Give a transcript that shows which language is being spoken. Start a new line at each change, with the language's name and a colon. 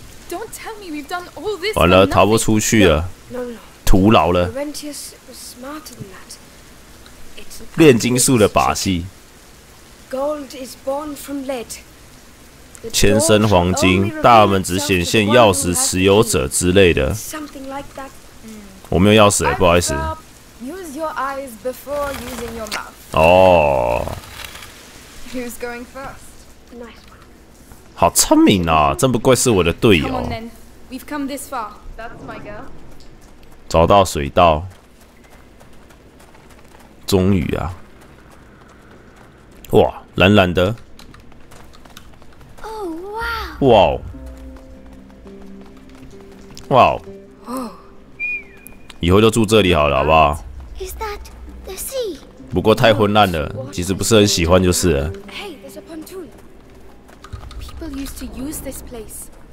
English: Don't tell me we've done all this.
Chinese: 完了，逃不出去了。
English: No.
Chinese: 徒劳了。
English: Ventius was smarter than that.
Chinese: 炼金术的把戏。
English: Gold is born from lead.
Chinese: 千生黄金，大门只显现钥匙持有者之类的。
English: Something like that.
Chinese: 我没有钥匙、欸，不好意思。
English: Use your eyes before using your mouth. 哦。 Who's going first? Nice one.
Chinese: 好聪明啊！真不愧是我的队友。
English: Come on, then. We've come this far. That's my girl.
Chinese: 找到水道。终于啊！哇，蓝蓝的！哦哇！哇哦！哇哦！以后就住这里好了，好不好
English: ？Is that the sea？
Chinese: 不过太昏暗了，其实不是很喜欢就是了。
English: Hey, there's a pontoon. People used to use this place.